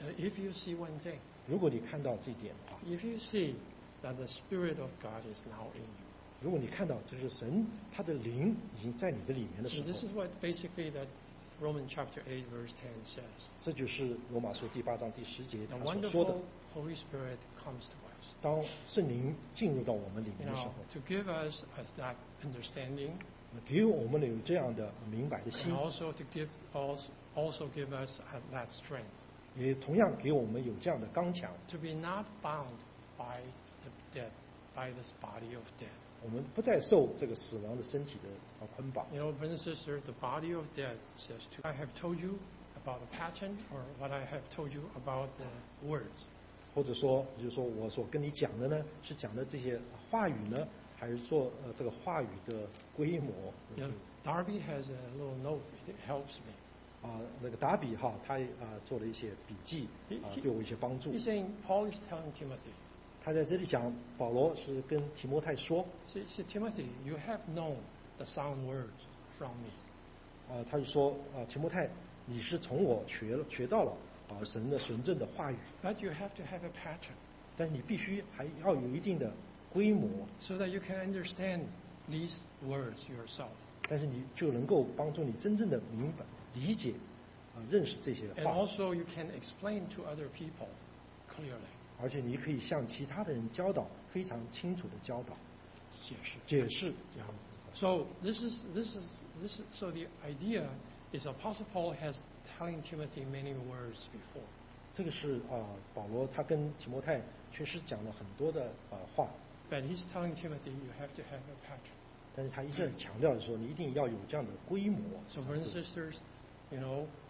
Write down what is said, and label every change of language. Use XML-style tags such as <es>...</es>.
<en>If you see one thing,</en> <zh>如果你看到这点的话</zh> <en>，If you see that the Spirit of God is now in you.</en> <zh>如果你看到就是神他的灵已经在你的里面的时候。</zh> <en>So this is what basically that. Romans chapter 8 verse 10 says.</en> <zh>这就是罗马书第八章第十节他所说的。</zh> <en>The Holy Spirit comes to us.</en> <zh>当圣灵进入到我们里面的时候。</zh> <en>To give us that understanding.</en> <zh>给我们有这样的明白的心。</zh> <en>And also to give also give us that strength.</en> <zh>也同样给我们有这样的刚强。</zh> <en>To be not bound by the death, by this body of death.</en> <zh>我们不再受这个死亡的身体的捆绑。</zh> <en>You know, brothers and sisters, the body of death says to I have told you about the pattern or what I have told you about the words.</en> <zh>或者说，就是说我所跟你讲的呢，是讲的这些话语呢，还是说这个话语的规模</zh> <en>Darby has a little note. It helps me.</en> <zh>那个达比哈，他做了一些笔记，对我一些帮助。</zh> <en>He's saying Paul is telling Timothy.</en> <zh>他在这里讲，保罗是跟提摩太说</zh> <en>See, Timothy, you have known the sound words from me.</en> <zh>他就说，提摩太，你是从我学到了神的纯正的话语。</zh> <en>But you have to have a pattern.</en> <zh>但是你必须还要有一定的规模。</zh> <en>So that you can understand these words yourself.</en> <zh>但是你就能够帮助你真正的明白、理解、认识这些话。</zh> <en>And also you can explain to other people clearly.</en> <zh>而且你可以向其他的人教导，非常清楚的教导，解释这样子。</zh> <en>So this is the idea is Apostle Paul has telling Timothy many words before.</en> <zh>这个是保罗他跟提摩太确实讲了很多的话。</zh> <en>But he's telling Timothy you have to have a pattern.</en> <zh>但是他一直强调的说你一定要有这样的规模。</zh> <en>So brothers and sisters, you know.</en>